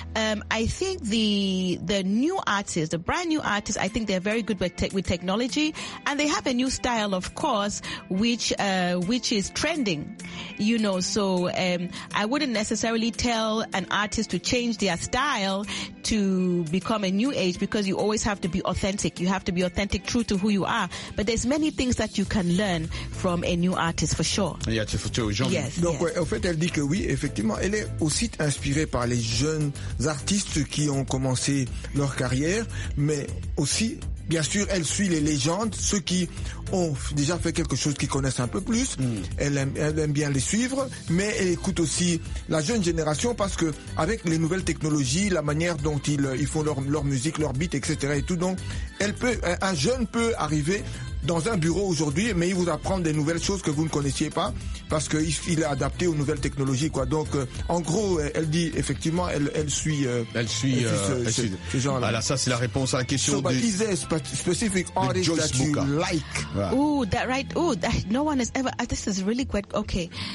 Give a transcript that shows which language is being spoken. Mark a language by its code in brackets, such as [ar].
[en] I think the new artists, the brand new artists, I think they're very good with technology, and they have a new style, of course, which is trending, you know. So I wouldn't necessarily tell an artist to change their style to become a new age, because you always have to be authentic. You have to be authentic, true to who you are. But there's many things that you can learn from a new artist, for sure. Yeah, [fr] c'est photo, Jean. [en] Yes. [fr] Donc, [en] yes. [fr] En fait, elle dit que oui, effectivement, elle est aussi inspirée par les jeunes artistes qui ont commencé leur carrière, mais aussi, bien sûr, elle suit les légendes, ceux qui ont déjà fait quelque chose, qu'ils connaissent un peu plus. Elle aime bien les suivre, mais elle écoute aussi la jeune génération, parce que avec les nouvelles technologies, la manière dont ils font leur musique, leur beat, etc. et tout, donc elle peut, un jeune peut arriver dans un bureau aujourd'hui, mais il vous apprend des nouvelles choses que vous ne connaissiez pas, parce que il est adapté aux nouvelles technologies, quoi. Donc, en gros, elle dit, effectivement, elle suit ce genre-là. Voilà, ça, c'est la réponse à la question. [en] So, but is there a specific artist that you like? Yeah. Ooh, that, right. Ooh, that, no one has ever, this is really quite, okay.